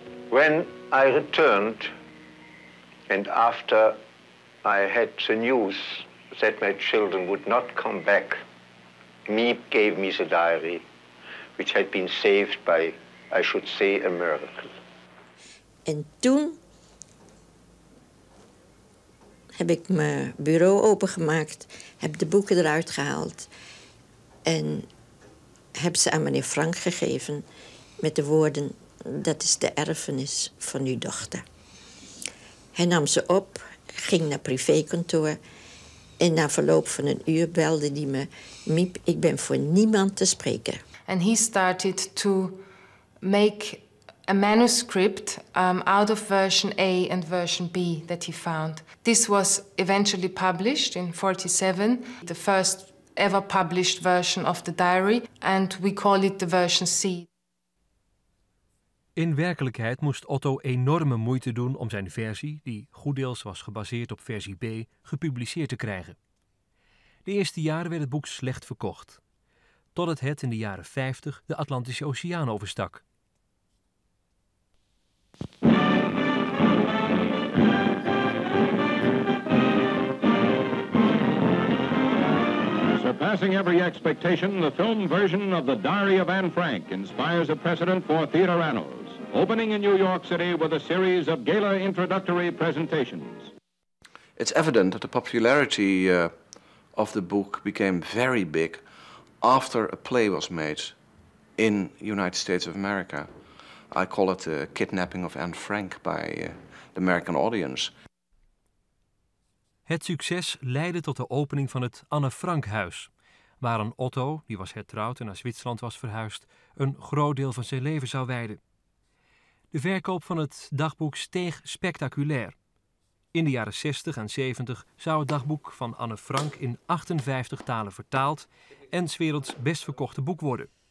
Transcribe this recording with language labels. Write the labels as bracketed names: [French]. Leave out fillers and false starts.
[English] When I returned and after I had the news that my children would not come back, Miep gave me the diary, which had been saved by, I should say, a miracle. [Dutch] En toen heb ik mijn bureau opengemaakt, heb de boeken eruit gehaald en heb ze aan meneer Frank gegeven met de woorden: dat is de erfenis van uw dochter. Hij nam ze op, ging naar privékantoor en na verloop van een uur belde hij me: Miep, ik ben voor niemand te spreken. [English] And he started to make a manuscript out of version A and version B that he found. This was eventually published in 47, the first ever published version of the diary, and we call it the version C. [Dutch] In werkelijkheid moest Otto enorme moeite doen om zijn versie, die goeddeels was gebaseerd op versie B, gepubliceerd te krijgen. De eerste jaren werd het boek slecht verkocht, totdat het in de jaren 50 de Atlantische Oceaan overstak. [English] Surpassing every expectation, the film version of The Diary of Anne Frank inspires a precedent for theater annals. Opening in New York City with a series of gala introductory presentations. It's evident that the popularity of the book became very big after a play was made in the United States of America. I call it the kidnapping of Anne Frank by the American audience. [Dutch] Het succes leidde tot de opening van het Anne Frankhuis, waar een Otto, die was hertrouwd en naar Zwitserland was verhuisd, een groot deel van zijn leven zou wijden. De verkoop van het dagboek steeg spectaculair. In de jaren 60 en 70 zou het dagboek van Anne Frank in 58 talen vertaald en 's werelds best verkochte boek worden.